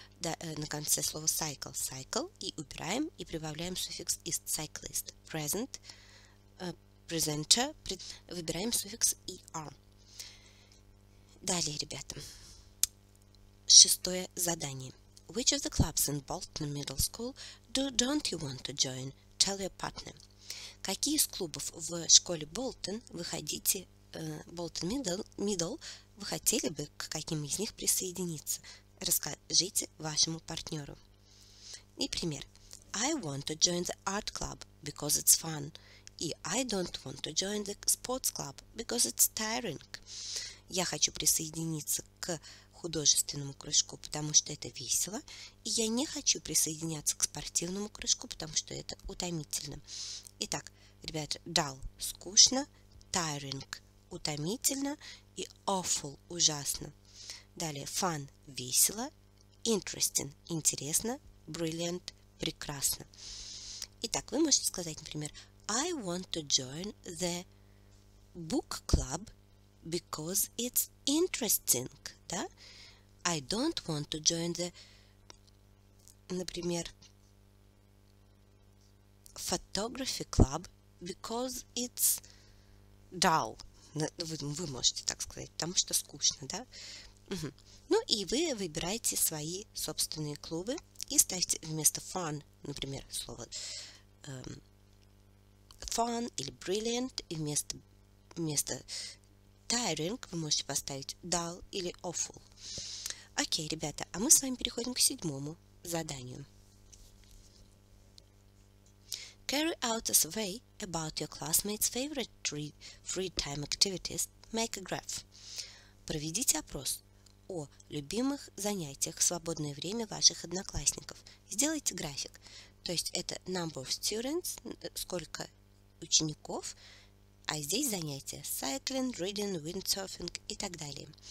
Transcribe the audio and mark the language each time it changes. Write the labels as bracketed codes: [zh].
[ru] Да, на конце слова cycle, cycle, и убираем, и прибавляем суффикс ist, cyclist. Present, presenter, выбираем суффикс er. Далее, ребята, шестое задание. [en] Which of the clubs in Bolton Middle School don't you want to join? Tell your partner. [ru] Какие из клубов в школе Bolton вы хотите, Bolton Middle, вы хотели бы к каким из них присоединиться? Расскажите вашему партнеру. И пример. [en] I want to join the art club because it's fun. И I don't want to join the sports club because it's tiring. [ru] Я хочу присоединиться к художественному кружку, потому что это весело. И я не хочу присоединяться к спортивному кружку, потому что это утомительно. Итак, ребята, dull – скучно, tiring – утомительно и awful – ужасно. Далее, fun – весело, interesting – интересно, brilliant – прекрасно. Итак, вы можете сказать, например, [en] I want to join the book club because it's interesting, [ru] да? [en] I don't want to join the, [ru] например, [en] photography club because it's dull. [ru] Вы можете так сказать, потому что скучно, да? Угу. Ну и вы выбираете свои собственные клубы и ставите вместо fun, например, слово fun или brilliant, и вместо tiring вы можете поставить dull или awful. Окей, ребята, а мы с вами переходим к седьмому заданию. [en] Carry out a survey about your classmates' favorite free time activities. Make a graph. [ru] Проведите опрос о любимых занятиях в свободное время ваших одноклассников. Сделайте график. То есть это [en] number of students, [ru] сколько учеников, а здесь занятия cycling, reading, windsurfing и так далее.